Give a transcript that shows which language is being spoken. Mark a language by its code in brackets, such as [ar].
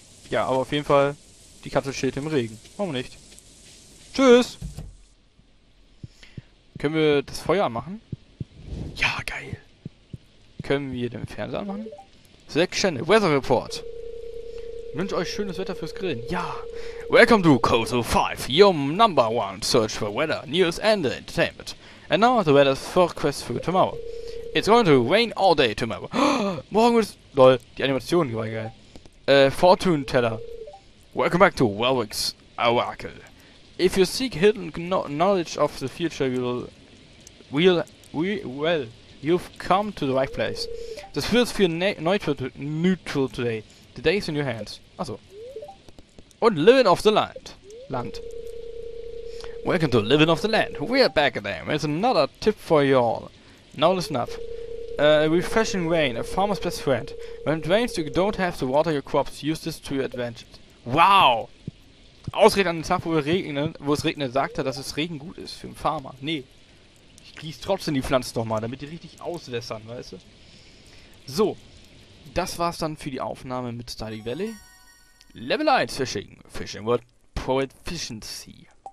[de] Ja, aber auf jeden Fall, die Katze steht im Regen. Warum nicht? Tschüss. Können wir das Feuer anmachen? Ja, geil. Können wir den Fernseher anmachen? Zack Shannon, Weather Report. Wünsche euch schönes Wetter fürs Grillen. Ja. [en] Welcome to Coastal 5, your number one search for weather, news and entertainment. And now the weather forecast for tomorrow. It's going to rain all day tomorrow. [de] Oh, morgen wird es. Lol, die Animation war geil. [en] Fortune Teller. Welcome back to Warwick's Oracle. If you seek hidden knowledge of the future, you've come to the right place. This feels feel neutral today. The day is in your hands. [de] Achso. Und [en] Living of the Land. Land. Welcome to Living of the Land. We are back again. There's another tip for you all. Now listen up. A refreshing rain, a farmer's best friend. When it rains, you don't have to water your crops. Use this to your advantage. Wow! [de] Ausgerechnet an dem Tag, wo es regnet, sagt er, dass es Regen gut ist für einen Farmer. Nee. Ich gieße trotzdem die Pflanzen nochmal, damit die richtig auswässern, weißt du? So. Das war's dann für die Aufnahme mit Stardew Valley. [en] Level 1 Fishing. Fishing World Proficiency.